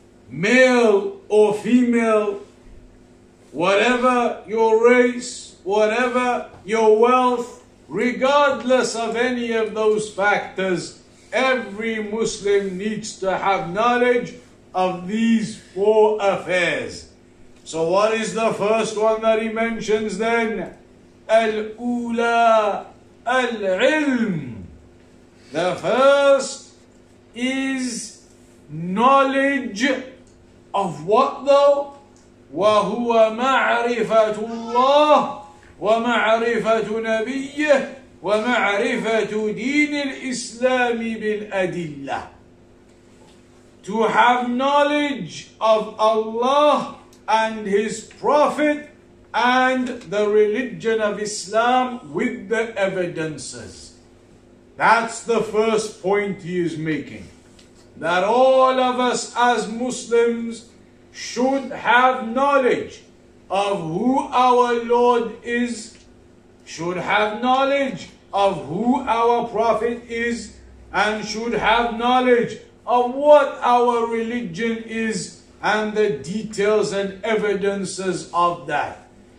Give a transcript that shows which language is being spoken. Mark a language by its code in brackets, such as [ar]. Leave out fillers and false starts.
[en] Male or female, whatever your race, whatever your wealth, regardless of any of those factors, every Muslim needs to have knowledge of these four affairs. So what is the first one that he mentions then? [ar] Al-Ula Al-Ilm. [en] The first is knowledge of what though? [ar] وَهُوَ مَعْرِفَةُ اللَّهِ ومعرفة نبيه ومعرفة دين الإسلام بالأدلة. [en] To have knowledge of Allah and His Prophet and the religion of Islam with the evidences. That's the first point he is making. That all of us as Muslims should have knowledge of who our Lord is, should have knowledge of who our Prophet is, and should have knowledge of what our religion is and the details and evidences of that.